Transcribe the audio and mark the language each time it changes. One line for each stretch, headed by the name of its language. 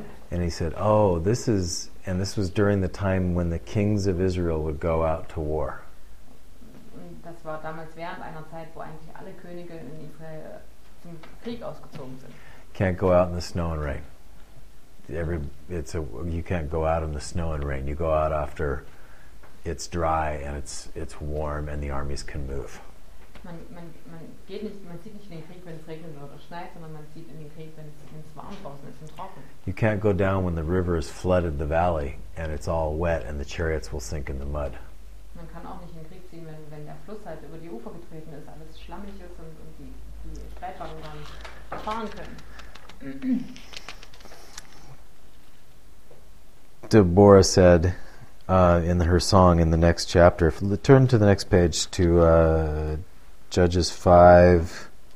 English: and he said, oh, this was during the time when the kings of Israel would go out to war.
German: Das war damals während einer Zeit, wo eigentlich alle Könige in Israel zum Krieg ausgezogen sind.
English: Can't go out in the snow and rain. You can't go out in the snow and rain. You go out after it's dry and it's warm and the armies can move.
German: Man zieht nicht in den Krieg, wenn es regnet oder schneit, sondern man zieht in den Krieg, wenn es warm draußen ist und trocken.
English: You can't go down when the river has flooded the valley and it's all wet and the chariots will sink in the mud.
German: Man kann auch nicht in den Krieg ziehen, wenn der Fluss halt über die Ufer getreten ist, alles schlammig ist und die Streitwagen dann fahren können.
English: Deborah said, in her song in the next chapter, turn to the next page to Judges 5,